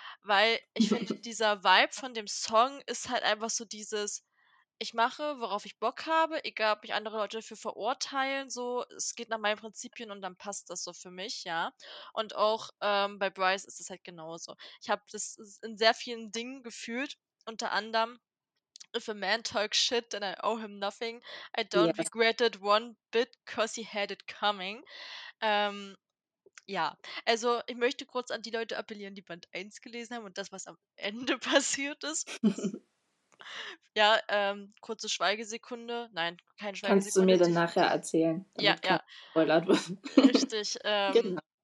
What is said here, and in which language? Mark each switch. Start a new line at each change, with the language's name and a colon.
German: Weil ich finde, dieser Vibe von dem Song ist halt einfach so dieses, ich mache, worauf ich Bock habe, egal ob mich andere Leute dafür verurteilen, so, es geht nach meinen Prinzipien und dann passt das so für mich, ja. Und auch bei Bryce ist es halt genauso. Ich habe das in sehr vielen Dingen gefühlt, unter anderem
English: if a man talks shit, then I owe him nothing. I don't regret it one bit, 'cause he had it coming.
German: Ja, also ich möchte kurz an die Leute appellieren, die Band 1 gelesen haben und das, was am Ende passiert ist. Ja, kurze Schweigesekunde. Nein, keine Schweigesekunde. Kannst du mir dann nachher erzählen? Ja, ja. Spoilert wird. Richtig. Genau.